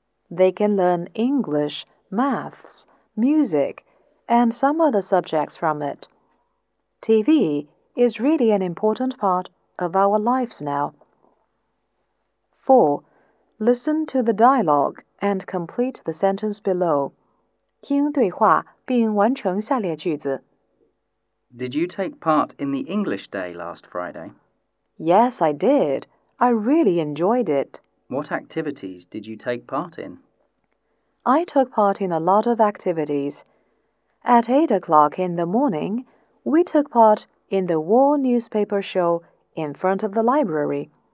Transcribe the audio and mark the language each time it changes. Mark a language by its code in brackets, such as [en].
[en] They can learn English, maths, music, and some other subjects from it. TV is really an important part of our lives now. 4. Listen to the dialogue and complete the sentence below. [zh] 听对话并完成下列句子。 [en] Did you take part in the English Day last Friday? Yes, I did. I really enjoyed it. What activities did you take part in? I took part in a lot of activities. At 8 o'clock in the morning, we took part in the war newspaper show in front of the library.